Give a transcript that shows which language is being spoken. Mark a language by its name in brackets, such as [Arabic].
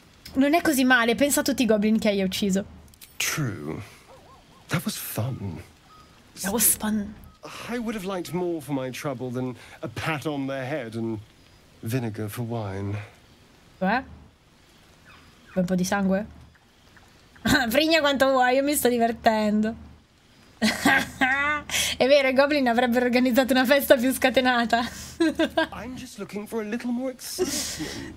[Italian] Non è così male, pensa a tutti i goblin che hai ucciso. [English] True. That was fun. That was fun. I would have liked more for my trouble than a pat on the head and vinegar for wine. [Italian] Beh? Un po' di sangue? Frigna quanto vuoi, io mi sto divertendo. È vero, i goblin avrebbero organizzato una festa più scatenata. [English] I'm just looking for a little more excitement.